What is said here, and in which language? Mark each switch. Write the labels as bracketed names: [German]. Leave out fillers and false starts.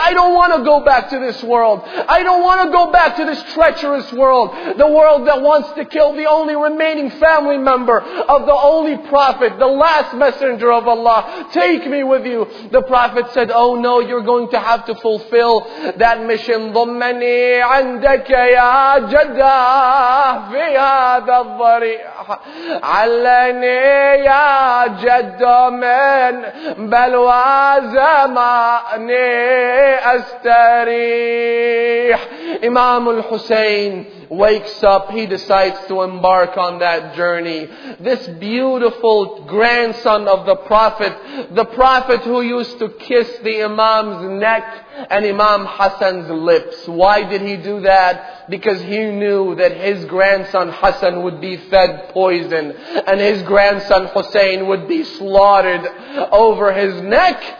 [English] I don't want to go back to this world. I don't want to go back to this treacherous world. The world that wants to kill the only remaining family member of the only Prophet, the last messenger of Allah. Take me with you. The Prophet said, oh no, you're going to have to fulfill that mission. [Arabic] ضمني عندك يا جدا في هذا الضريح علني يا جد من بلوى زماني استريح. [English] Imam al-Husayn wakes up, he decides to embark on that journey. This beautiful grandson of the Prophet who used to kiss the Imam's neck and Imam Hassan's lips. Why did he do that? Because he knew that his grandson Hassan would be fed poison and his grandson Hussein would be slaughtered over his neck.